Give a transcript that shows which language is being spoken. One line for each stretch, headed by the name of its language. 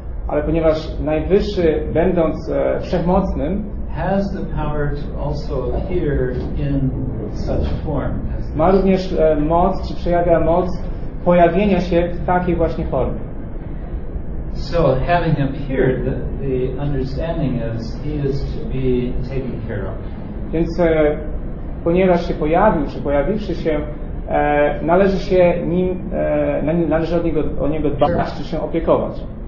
Polish: Ale ponieważ najwyższy, będąc wszechmocnym,
English: has the power to also appear in such form as
Polish: ma również moc, czy przejawia moc pojawienia się w takiej właśnie formie.
English: So having appeared, the understanding is he is to be taken care of.
Polish: Więc ponieważ się pojawił, czy pojawiwszy się, należy się nim, należy o niego dbać, czy się opiekować.